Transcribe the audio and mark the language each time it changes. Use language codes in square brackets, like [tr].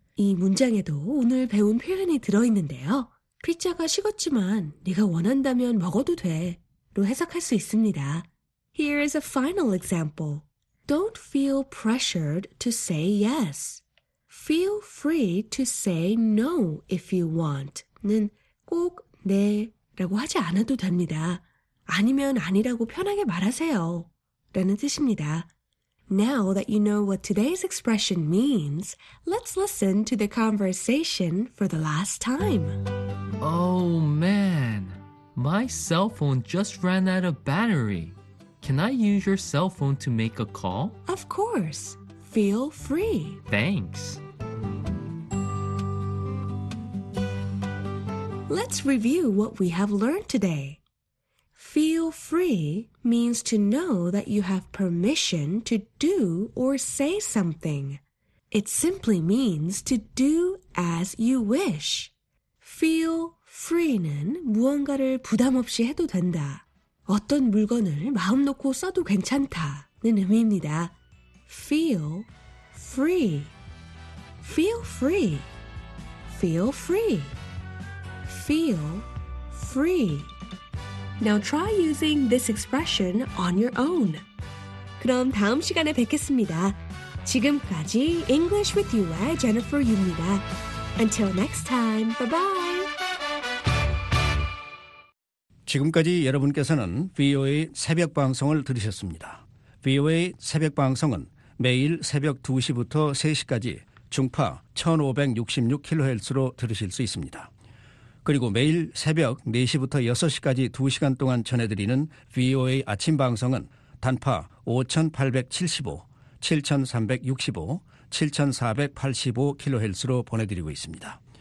[ko] 이 문장에도 오늘 배운 표현이 들어있는데요. 피자가 식었지만 네가 원한다면 먹어도 돼 로 해석할 수 있습니다. [en] Here is a final example. Don't feel pressured to say yes. Feel free to say no if you want. [ko] 는 꼭 네 라고 하지 않아도 됩니다. 아니면 아니라고 편하게 말하세요. 라는 뜻입니다. [en] Now that you know what today's expression means, let's listen to the conversation for the last time. Oh man, my cell phone just ran out of battery. Can I use your cell phone to make a call? Of course. Feel free. Thanks. Let's review what we have learned today. Feel free means to know that you have permission to do or say something. It simply means to do as you wish. [ko] Feel free는 무언가를 부담 없이 해도 된다. 어떤 물건을 마음 놓고 써도 괜찮다는 의미입니다. [en] Feel free. Feel free. Feel free. Feel free. Now try using this expression on your own. [ko] 그럼 다음 시간에 뵙겠습니다. 지금까지 English with You의 Jennifer Yu입니다. [en] Until next time, bye-bye. [ko] 지금까지 여러분께서는 VOA 새벽 방송을 들으셨습니다. VOA 새벽 방송은 매일 새벽 2시부터 3시까지 중파 1566kHz로 들으실 수 있습니다. 그리고 매일 새벽 4시부터 6시까지 2시간 동안 전해드리는 VOA 아침 방송은 단파 5875, 7365, 7485kHz로 보내드리고 있습니다.